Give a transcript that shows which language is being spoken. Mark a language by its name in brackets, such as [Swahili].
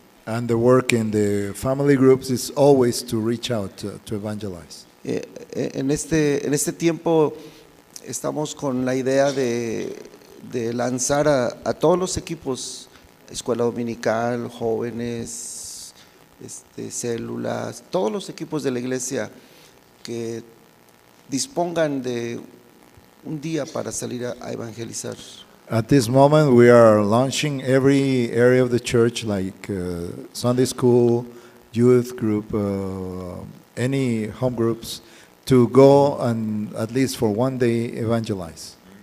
[English] And the work in the family groups is always to reach out to evangelize. [Spanish] En este tiempo estamos con la idea de lanzar a todos los equipos, escuela dominical, jóvenes, células, todos los equipos de la iglesia que dispongan de un día para salir a evangelizar. [English] At this moment, we are launching every area of the church, like Sunday school, youth group, any home groups, to go and at least for one day evangelize.